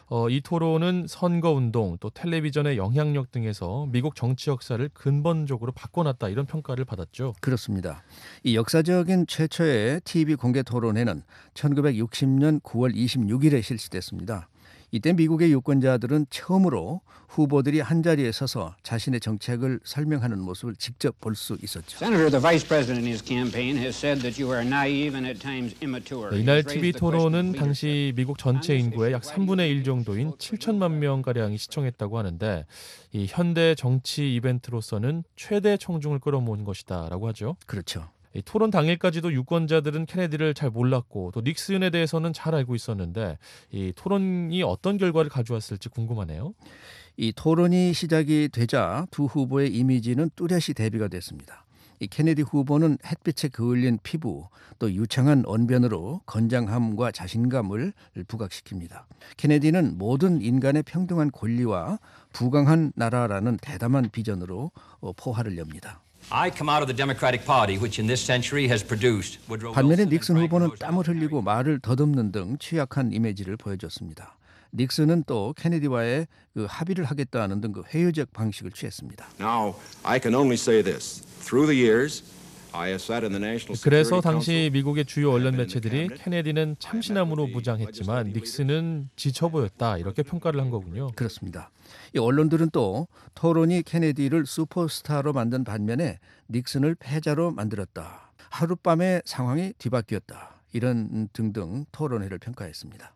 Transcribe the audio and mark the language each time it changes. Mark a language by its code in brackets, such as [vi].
[ko] 이 토론은 선거 운동 또 텔레비전의 영향력 등에서 미국 정치 역사를 근본적으로 바꿔놨다 이런 평가를 받았죠. 그렇습니다. 이 역사적인 최초의 TV 공개 토론회는 1960년 9월 26일에 실시됐습니다. 이때 미국의 유권자들은 처음으로 후보들이 한 자리에 서서 자신의 정책을 설명하는 모습을 직접 볼 수 있었죠. [en] Senator, the vice president in his campaign has said that you are naive and at times immature. [ko] 네, 이날 TV 토론은 당시 미국 전체 인구의 약 3분의 1 정도인 7천만 명 가량이 시청했다고 하는데 이 현대 정치 이벤트로서는 최대 청중을 끌어모은 것이다라고 하죠. 그렇죠. 이 토론 당일까지도 유권자들은 케네디를 잘 몰랐고 또 닉슨에 대해서는 잘 알고 있었는데 이 토론이 어떤 결과를 가져왔을지 궁금하네요. 이 토론이 시작이 되자 두 후보의 이미지는 뚜렷이 대비가 됐습니다. 이 케네디 후보는 햇빛에 그을린 피부 또 유창한 언변으로 건장함과 자신감을 부각시킵니다. 케네디는 모든 인간의 평등한 권리와 부강한 나라라는 대담한 비전으로 포화를 엽니다. [en] I come out of the Democratic Party, which in this century has produced Woodrow Wilson. [ko] 반면에 닉슨 후보는 땀을 흘리고 말을 더듬는 등 취약한 이미지를 보여줬습니다. 닉슨은 또 케네디와의 그 합의를 하겠다는 등 그 회유적 방식을 취했습니다. [en] Now I can only say this. Through the years, I have sat in the National Security. [ko] 그래서 당시 미국의 주요 언론 매체들이 케네디는 참신함으로 무장했지만 닉슨은 지쳐 보였다 이렇게 평가를 한 거군요. 그렇습니다. 이 언론들은 또 토론이 케네디를 슈퍼스타로 만든 반면에 닉슨을 패자로 만들었다. 하룻밤에 상황이 뒤바뀌었다. 이런 등등 토론회를 평가했습니다.